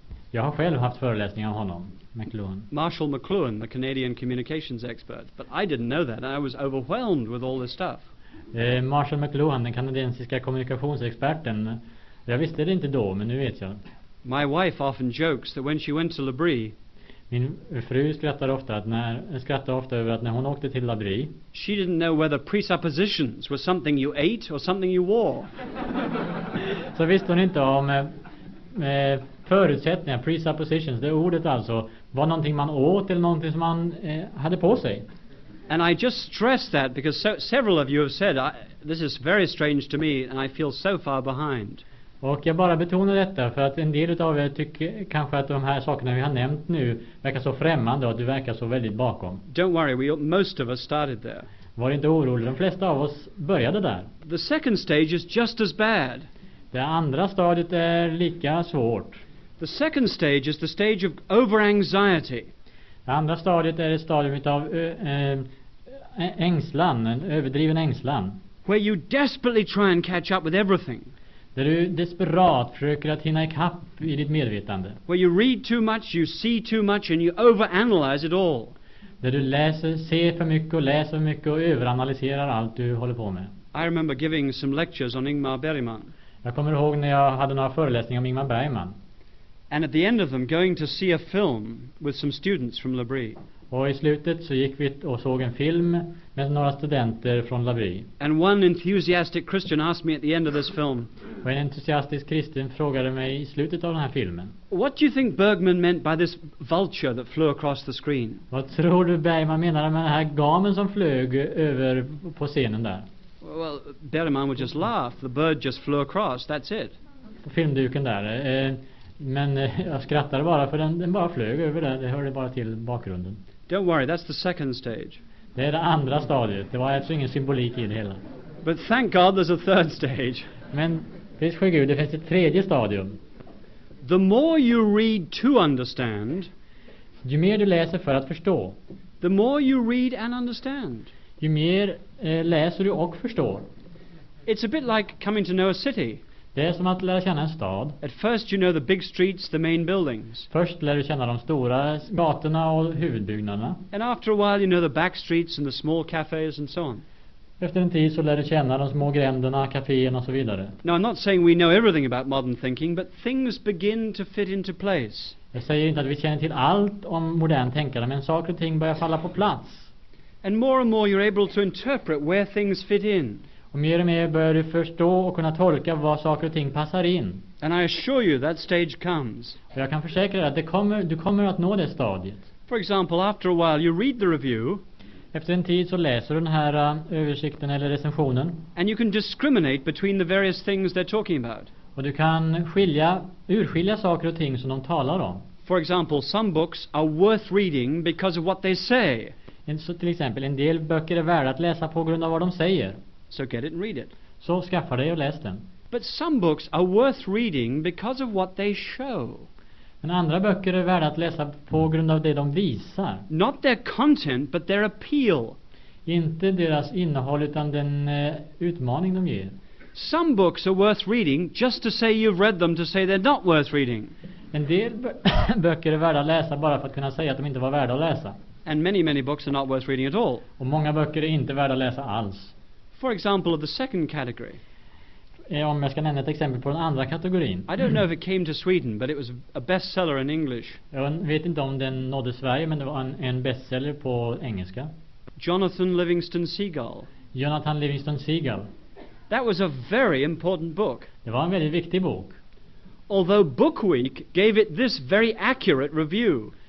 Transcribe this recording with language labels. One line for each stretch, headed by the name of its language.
Swedish: Jag har själv haft föreläsning om honom, McLuhan.
English: Marshall McLuhan, the Canadian communications expert. But I didn't know that. I was overwhelmed with all this stuff.
Swedish: Marshall McLuhan, den kanadensiska kommunikationsexperten. Jag visste det inte då, men nu vet jag.
English: My wife often jokes that when she went to Labrie.
Swedish: Min fru skrattar ofta över att när hon åkte till Labri.
English: She didn't know whether presuppositions were something you ate or something you wore.
Swedish: Så visste hon inte om förutsättningar, presuppositions, det ordet alltså, var någonting man åt eller någonting som man hade på sig.
English: And I just stress that because several of you have said this is very strange to me and I feel so far behind.
Swedish: Och jag bara betonar detta för att en del av er tycker kanske att de här sakerna vi har nämnt nu verkar så främmande och du verkar så väldigt bakom.
English: Don't worry, most of us started there.
Swedish: Var inte orolig, de flesta av oss började där.
English: The second stage is just as bad.
Swedish: Det andra stadiet är lika svårt.
English: The second stage is the stage of over anxiety.
Swedish: Det andra stadiet är ett stadium av ängslan, en överdriven ängslan.
English: Where you desperately try and catch up with everything.
Swedish: Där du desperat försöker att hinna ikapp i ditt medvetande.
English: Where you read too much, you see too much and you overanalyze it all.
Swedish: Där du läser, ser för mycket och läser för mycket och överanalyserar allt du håller på med.
English: I remember giving some lectures on Ingmar Bergman.
Swedish: Jag kommer ihåg när jag hade några föreläsningar om Ingmar Bergman.
English: And at the end of them going to see a film with some students from Labrie.
Swedish: Och i slutet så gick vi och såg en film med några studenter från Labrie.
English: And one enthusiastic Christian asked me at the end of this film.
Swedish: Och en entusiastisk kristen frågade mig i slutet av den här filmen.
English: What do you think Bergman meant by this vulture that flew across the screen?
Swedish: Vad tror du Bergman menade med den här gamen som flög över på scenen där?
English: Well, Bergman would just laugh. The bird just flew across. That's it.
Swedish: På filmduken där. Men jag skrattade bara för den bara flög över där. Det hörde bara till bakgrunden.
English: Don't worry, that's the second stage.
Swedish: Det är det andra stadiet. Det var alltså ingen symbolik i det hela.
English: But thank God there's a third stage.
Swedish: Men visst Gud, det finns ett tredje stadium.
English: The more you read to understand.
Swedish: Ju mer du läser för att förstå.
English: The more you read and understand.
Swedish: Ju mer läser du och förstår.
English: It's a bit like coming to know a city.
Swedish: Det är som att lära känna en stad.
English: At first you know the big streets, the main buildings.
Swedish: Först lär du känna de stora gatorna och huvudbyggnaderna.
English: And after a while you know the back streets and the small cafes and so on.
Swedish: Efter en tid så lär du känna de små gränderna, kaféerna och så vidare.
English: Now I'm not saying we know everything about modern thinking, but things begin to fit into place.
Swedish: Jag säger inte att vi känner till allt om modern tänkande, men saker och ting börjar falla på plats.
English: And more you're able to interpret where things fit in.
Swedish: Och mer och mer börjar du förstå och kunna tolka vad saker och ting passar in.
English: And I assure you that stage comes.
Swedish: Och jag kan försäkra dig att du kommer att nå det stadiet.
English: For example, after a while you read the review.
Swedish: Efter en tid så läser du den här översikten eller recensionen.
English: And you can discriminate between the various things they're talking about.
Swedish: Och du kan urskilja saker och ting som de talar om.
English: For example, some books are worth reading because of what they say.
Swedish: Till exempel, en del böcker är värda att läsa på grund av vad de säger.
English: So get it and read it.
Swedish: Så skaffa dig och läs den.
English: But some books are worth reading because of what they show.
Swedish: Men andra böcker är värda att läsa på grund av det de visar.
English: Not their content, but their appeal.
Swedish: Inte deras innehåll utan den utmaning de ger.
English: Some books are worth reading just to say you've read them, to say they're not worth reading.
Swedish: En del böcker är värda att läsa bara för att kunna säga att de inte var värda att läsa.
English: And many books are not worth reading at all.
Swedish: Och många böcker är inte värda att läsa alls.
English: For example, of the second category.
Swedish: Om jag ska nämna ett exempel på den andra kategorin.
English: I don't know if it came to Sweden, but it was a bestseller in English.
Swedish: Jag vet inte om den nådde Sverige, men det var en bestseller på engelska.
English: Jonathan Livingston Seagull.
Swedish: Jonathan Livingston Seagull.
English: That was a very important book.
Swedish: Det var en väldigt viktig bok.
English: Although Bookweek gave it this very accurate review.